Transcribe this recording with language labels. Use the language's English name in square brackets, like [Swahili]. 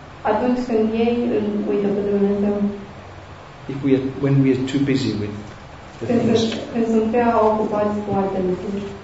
[Romanian] Atunci când ei îl uită pe Dumnezeu. [English] If we are, when we are too busy with the things. [Romanian] Când sunt prea ocupați cu alte lucruri.